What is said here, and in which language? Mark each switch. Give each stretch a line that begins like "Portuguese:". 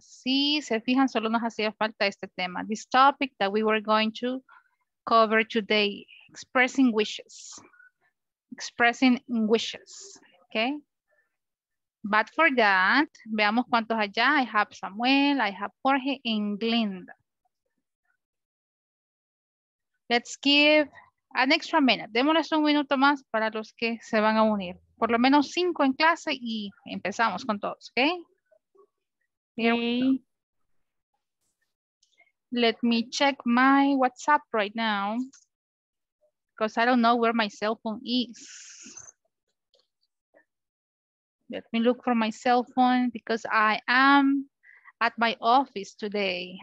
Spanish: Sí, se fijan, solo nos hacía falta este tema.
English: This topic that we were going to cover today, expressing wishes. Expressing wishes, okay? But for that,
Spanish: veamos cuántos allá.
English: I have Samuel, I have Jorge, and Glenda. Let's give an extra minute.
Spanish: Démosles un minuto más para los que se van a unir. Por lo menos cinco en clase y empezamos con todos, okay?
English: Okay. Let me check my WhatsApp right now because I don't know where my cell phone is. Let me look for my cell phone because I am at my office today.